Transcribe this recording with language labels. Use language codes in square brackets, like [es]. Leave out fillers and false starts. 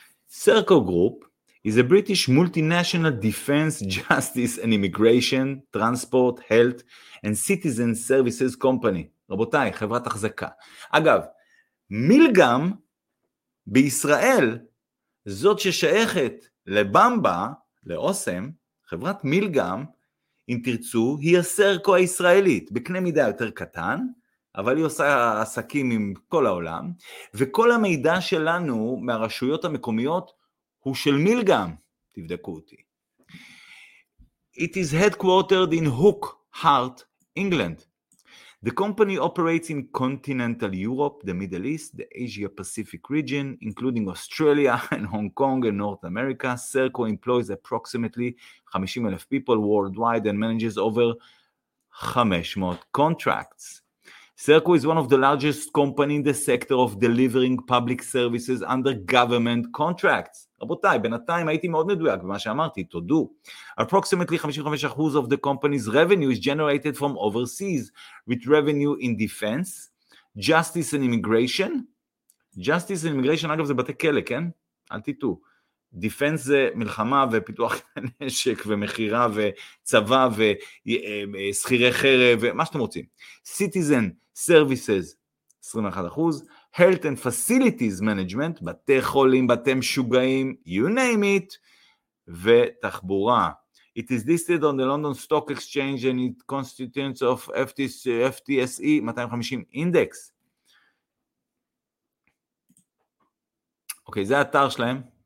[en] סרקו גרופ is a British multinational defense, justice and immigration, transport, health and citizen services company. [he] רבותיי, חברת החזקה. אגב, מילגם בישראל, זאת ששייכת לבמבה, לאוסם, חברת מילגם, אם תרצו, היא הסרקו הישראלית, בקנה מידה יותר קטן, אבל היא עושה עסקים עם כל העולם, וכל המידע שלנו מהרשויות המקומיות הוא של מילגם, תבדקו אותי. [en] It is headquartered in Hook Hart, England. The company operates in continental Europe, the Middle East, the Asia-Pacific region, including Australia and Hong Kong and North America. Serco employs approximately 50,000 people worldwide and manages over 500 contracts. Serco is one of the largest companies in the sector of delivering public services under government contracts. [he] רבותיי, בינתיים הייתי מאוד מדויק במה שאמרתי, תודו. [en] Approximately 55% of the company's revenue is generated from overseas, with revenue in defense, justice and immigration. Justice and immigration, [he] אגב, זה בתי כלא, כן? אל תטעו. Defense זה מלחמה ופיתוח נשק ומחירה וצבא וסחירי חרב ומה שאתם רוצים. [en] Citizen services, 21%. Health and Facilities Management, [he] בתי חולים, בתי משוגעים, [en] you name it, [he] ותחבורה. [en] It is listed on the London Stock Exchange and it constitutes of FTSE 250 index. Okay, [he] זה האתר שלהם.